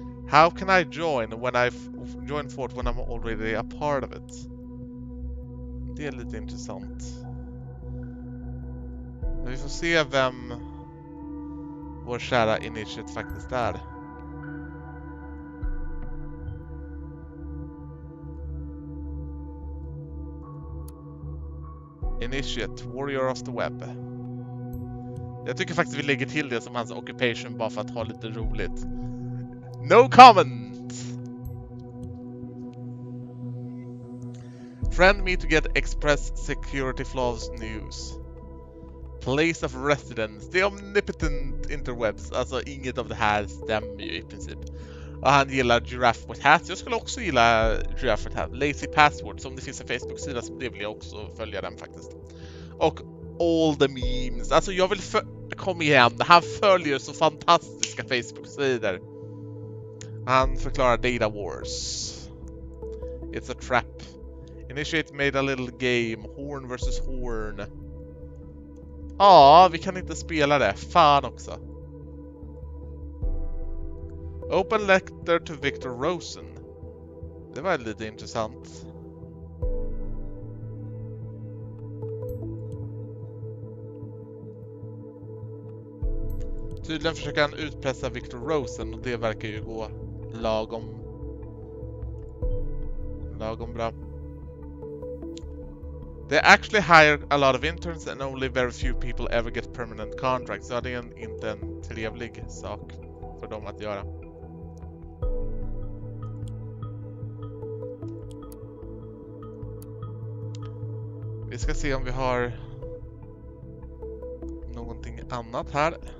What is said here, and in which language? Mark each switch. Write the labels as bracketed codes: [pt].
[en] How can I join when I've joined fort when I'm already a part of it? [sv] Det är lite intressant. Vi får se vem vår kära initiate faktiskt är. [en] Initiate, Warrior of the Web. [sv] Jag tycker faktiskt vi lägger till det som hans occupation bara för att ha lite roligt. [en] No comment! Friend me to get express security flaws news. Place of residence, the omnipotent interwebs. [sv] Alltså inget av det här stämmer ju i princip. Och han gillar [en] giraffe with hats. [sv] Jag skulle också gilla [en] giraffe with hats. [sv] Lazy password, som det finns en Facebook-sida så det vill jag också följa den faktiskt. Och [en] all the memes. [sv] Alltså jag vill kom igen. Han följer så fantastiska Facebook-sidor. Han förklarar [en] data wars. It's a trap. Initiate made a little game. [sv] Horn versus horn. Ja, vi kan inte spela det. Fan också. [en] Open letter to Victor Rosen. [sv] Det var lite intressant. Tydligen försöker han utpressa Victor Rosen och det verkar ju gå lagom bra. [en] They actually hire a lot of interns and only very few people ever get permanent contracts. [sv] Så det är inte en trevlig sak för dem att göra. Vi ska se om vi har någonting annat här.